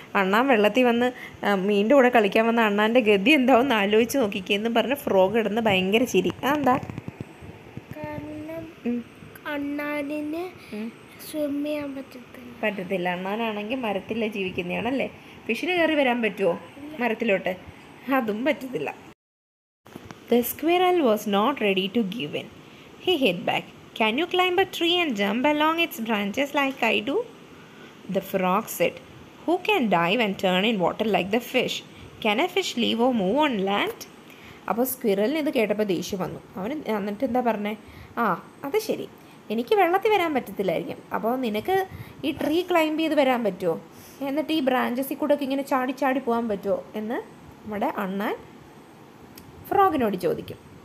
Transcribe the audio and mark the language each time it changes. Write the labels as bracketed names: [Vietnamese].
[Malayalam] അണ്ണാൻ വെള്ളത്തിൽ വന്ന് മീൻ്റെ കൂടെ കളിക്കാൻ വന്ന അണ്ണാൻ്റെ ഗതി എന്താവെന്ന് ആലോചിച്ച് നോക്കിക്കേ എന്ന് പറഞ്ഞ് ഫ്രോഗ് ഇടുന്ന ഭയങ്കര ചിരി. അതെന്താ? കാരണം അണ്ണാനിന് സ്വിമ്മ് ചെയ്യാൻ പറ്റത്തില്ല. അണ്ണാനാണെങ്കിൽ മരത്തിലെ ജീവിക്കുന്നതാണല്ലേ. ഫിഷിന് കയറി വരാൻ പറ്റുമോ മരത്തിലോട്ട്? അതും പറ്റത്തില്ല. [English] The squirrel was not ready to give in. He hid back. Can you climb a tree and jump along its branches like I do? The frog said, Who can dive and turn in water like the fish? Can a fish leave or move on land? [Malayalam] അപ്പൊ സ്ക്വിറലിന് ഇത് കേട്ടപ്പോ ദേഷ്യം വന്നു. അവന് എന്നിട്ട് എന്താ പറഞ്ഞേ? ആ, അത് ശരി, എനിക്ക് വെള്ളത്തിൽ വരാൻ പറ്റത്തില്ലായിരിക്കും, അപ്പോൾ നിനക്ക് ഈ ട്രീ ക്ലൈംബ് ചെയ്ത് വരാൻ പറ്റുമോ? എന്നിട്ട് ഈ ബ്രാഞ്ചസിൽ കൂടെ ഇങ്ങനെ ചാടി ചാടി പോകാൻ പറ്റുമോ എന്ന് നമ്മുടെ അണ്ണാൻ ഫ്രോഗിനോട് ചോദിക്കും.